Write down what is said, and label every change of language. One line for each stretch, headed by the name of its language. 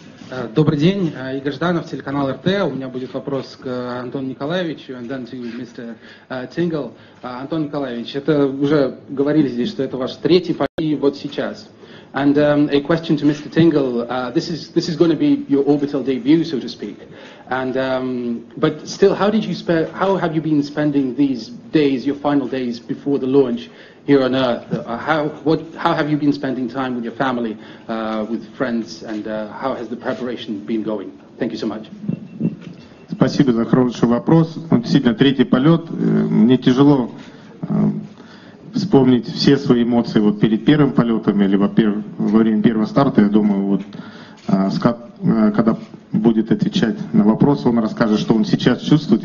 Russian: Так, Добрый день, Игорь Жданов, телеканал РТ. У меня будет вопрос к Антону Николаевичу,
English: and then to Mr. Tingle.
Russian: Антон Николаевич, это уже говорили здесь, что это ваш третий побег вот сейчас.
English: And a question to Mr. Tingle. This is going to be your orbital debut, so to speak. And but still, how did you spend? How have you been spending these days, your final days before the launch here on Earth? How have you been spending time with your family, with friends, and how has the preparation been going? Thank you so much.
Russian: Спасибо за хороший вопрос. Действительно, третий полет. Мне тяжело вспомнить все свои эмоции вот перед первым полетом или во время первого старта. Я думаю, вот Скотт, когда будет отвечать на вопрос, он расскажет, что он сейчас чувствует.